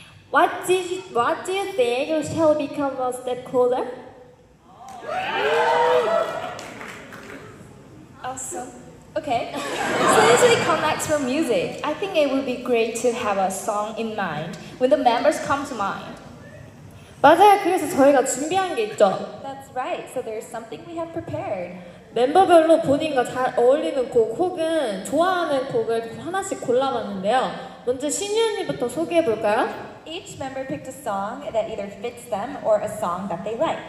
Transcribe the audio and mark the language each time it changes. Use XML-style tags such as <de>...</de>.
<en>What do you think you shall become a step closer? Awesome. Okay. Since we connect with music, I think it would be great to have a song in mind when the members come to mind.</en> <ko>맞아요. 그래서 저희가 준비한 게 있죠.</ko> <en>That's right. So there's something we have prepared.</en> <ko>멤버별로 본인과 잘 어울리는 곡 혹은 좋아하는 곡을 하나씩 골라봤는데요. 먼저 신유 언니부터 소개해 볼까요?</ko> <en>Each member picked a song that either fits them or a song that they like.</en>